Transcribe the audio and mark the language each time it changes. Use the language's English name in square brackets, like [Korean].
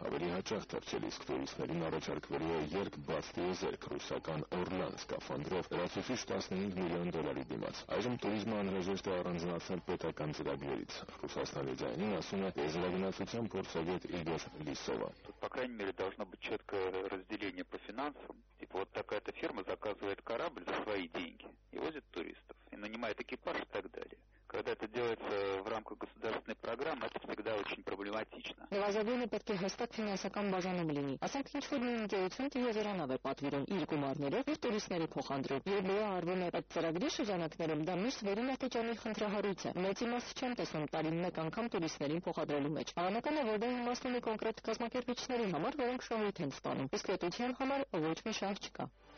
[Armenian] ավելի հաճախ թռչել, իսկ տուրիստներին առաջարկվելու է երկ բաց տիեզերք ռուսական Օրլան սկաֆանդրով լրացուցիչ $15 միլիոն դիմաց։ Այժմ տուրիզմը անհրաժեշտ է առանձնացնել պետական ծրագրերից, Ռուսաստանի ձայնին ասում է տիեզերագնացության փորձագետ Իգոր Լիսովը։ [Russian] Разделение по финансам. Типа вот такая-то фирма заказывает корабль за свои деньги и возит туристов, и нанимает экипаж и так далее. Когда это делается в рамках государственной программы, это всегда очень проблематично. [Armenian] Գազագույնը պետք է հստակ ֆինանսական բաժանում լինի, ասենք ինչ որ ընկերություն տիեզերանավ է պատվիրում իր գումարներով ու տուրիստների փոխանդրում, երբ նա արվում է այդ ծրագրի շրջանակներում, դա միշտ վերին աճանի խնդրահարույց է, մեծ իմաստը չեն տեսնում տարին մեկ անգամ տուրիստներին փոխադրելու մեջ, հավանական է, որ դա իմաստուն է կոնկրետ կազմակերպիչների համար, որոնք շահույթ են ստանում, իսկ պետության համար ոչ մի շահ չկա։